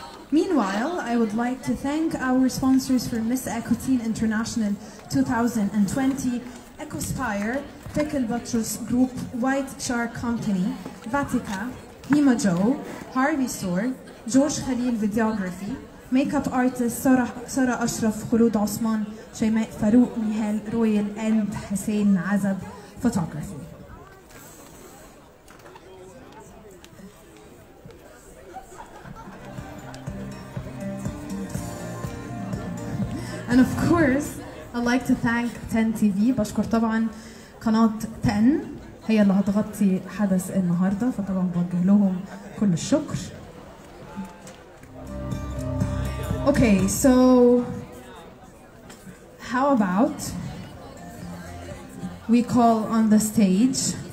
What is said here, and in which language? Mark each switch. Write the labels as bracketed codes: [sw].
[en] Meanwhile, I would like to thank our sponsors for Miss Ecoteen International 2020, Ecospire, Pickle Buttress Group, White Shark Company, Vatica, Hima Joe, Harvey Store, George Khalil Videography, makeup artist Sara Ashraf, Khulud Osman, Shaymet Farouk, Mihal Royal, and Hussein Azab Photography. And of course, I'd like to thank 10TV. [ar] بشكر طبعا قناة 10 هي اللي هتغطي حدث النهاردة فطبعا بوجه لهم كل الشكر. [en] Okay, so how about we call on the stage